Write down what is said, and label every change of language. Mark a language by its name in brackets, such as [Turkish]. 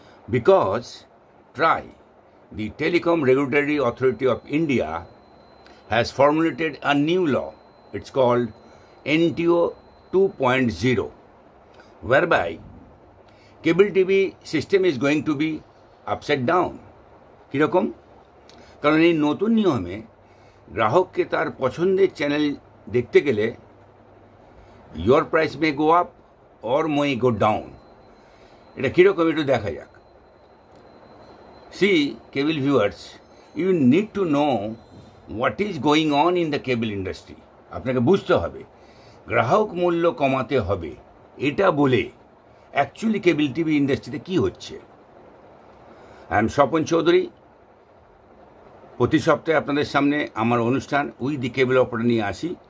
[English] Because TRAI, the Telecom Regulatory Authority of India, has formulated a new law. It's called NTO 2.0, whereby cable TV system is going to be upside down. [Bangla] কিরকম? কারণ এই নতুন নিয়মে গ্রাহককে তার পছন্দের channel দেখতে গেলে [English] your price may go up or may go down. [Bangla] এটা কিরকম একটু দেখা যাক. [English] See, cable viewers, you need to know what is going on in the cable industry. [Bangla] আপনাকে বুঝতে হবে গ্রাহক মূল্য কমাতে হবে এটা বলে অ্যাকচুয়ালি কেবল টিভি ইন্ডাস্ট্রিতে কি হচ্ছে. আই এম স্বপন চৌধুরী, প্রতি সপ্তাহে আপনাদের সামনে আমার অনুষ্ঠান [English] we the cable operator [Bangla] নিয়ে আসি.